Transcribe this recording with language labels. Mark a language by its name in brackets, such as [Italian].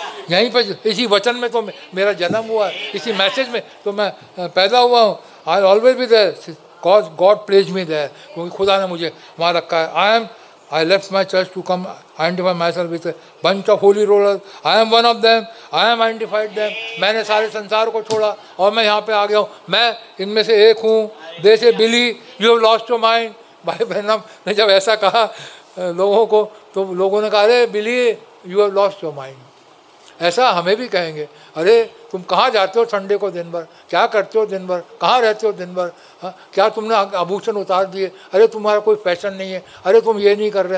[Hindi] यहीं पर इसी वचन में तो मेरा जन्म हुआ है, इसी मैसेज में तो मैं पैदा हुआ हूँ, [English] I will always be there, because God placed me there, [Hindi] क्योंकि खुदा ने मुझे वहाँ रखा है, [English] I am, I left my church to come identify myself with a bunch of holy rollers. I am one of them. I am identified them. [Hindi] मैंने सारे संसार को छोड़ा और मैं यहाँ पे आ गया हूँ. मैं इनमें से एक हूँ. [English] They say Billy, you have lost your mind. [Hindi] भाई बहनम ने जब ऐसा कहा लोगों को तो लोगों ने कहा अरे [English] Billy, you have lost your mind. [Hindi] ऐसा हमें भी कहेंगे. अरे तुम कहाँ जाते हो संडे को दिन भर? क्या करते हो दिन भर? कहाँ रहते हो दिन भर? क्या तुमने आभूषण उतार दिए? अरे तुम्हारा कोई फैशन नहीं है. अरे तुम ये नहीं कर रहे.